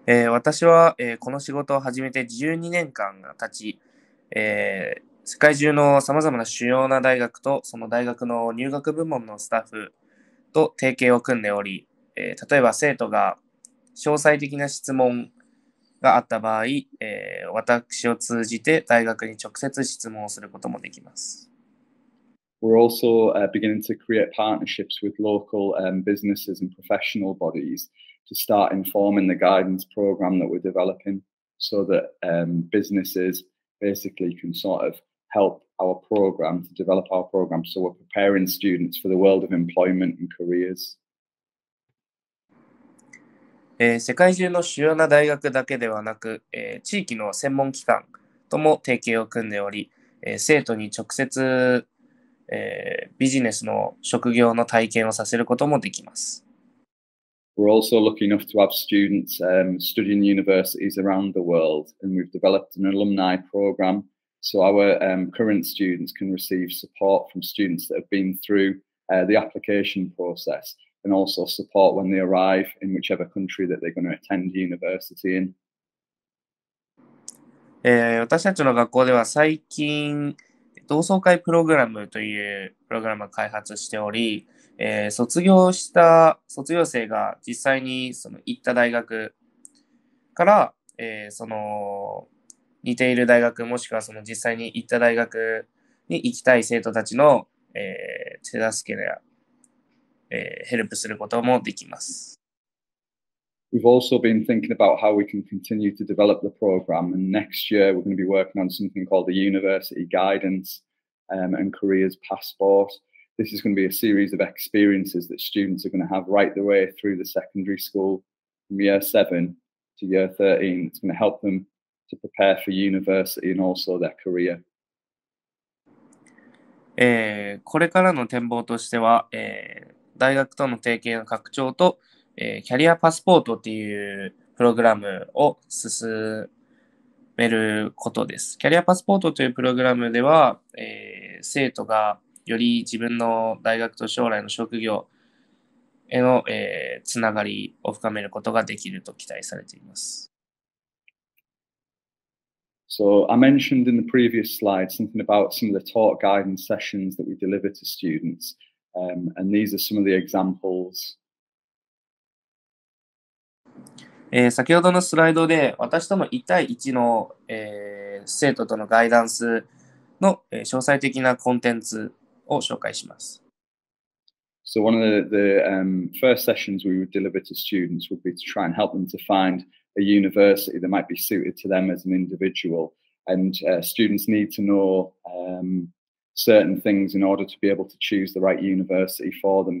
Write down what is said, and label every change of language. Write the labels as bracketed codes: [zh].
[ja] 私は、この仕事を始めて12年間が経ち、世界中のさまざまな主要な大学とその大学の入学部門のスタッフと提携を組んでおり、例えば生徒が詳細的な質問があった場合、私を通じて大学に直接質問をすることもできます。 [en] We're also beginning to create partnerships with local businesses and professional bodies to start informing the guidance program that we're developing so that businesses basically can sort ofhelp our program to develop our program so we're preparing students for the world of employment and careers. [ja] 世界中の主要な大学だけではなく、地域の専門機関とも提携を組んでおり、生徒に直接、ビジネスの職業の体験をさせることもできます。 [en] We're also lucky enough to have students studying universities around the world, and we've developed an alumni program so our current students can receive support from students that have been through the application process and also support when they arrive in whichever country that they're going to attend university in. [ja] 私たちの学校では最近同窓会プログラムというプログラムを開発しており、卒業生が実際にその行った大学から、その似ている大学もしくはその実際に行った大学に行きたい生徒たちの、手助けや、ヘルプすることもできます。 [en] We've also been thinking about how we can continue to develop the program, and next year we're going to be working on something called the University Guidance and Careers Passport. This is going to be a series of experiences that students are going to have right the way through the secondary school from year 7 to year 13. It's going to help them to prepare for university and also their career. [ja] これからの展望としては、大学との提携の拡張とキャリアパスポートっていうプログラムを進めることです。キャリアパスポートというプログラムでは、生徒がより自分の大学と将来の職業へのつながりを深めることができると期待されています。 [en] So I mentioned in the previous slide something about some of the talk guidance sessions that we deliver to students, and these are some of the examples. [ja] 先ほどのスライドで私との1対1の、生徒とのガイダンスの、詳細的なコンテンツを紹介します。 [en] So one of the first sessions we would deliver to students would be to try and help them to find a university that might be suited to them as an individual. And students need to know certain things in order to be able to choose the right university for them.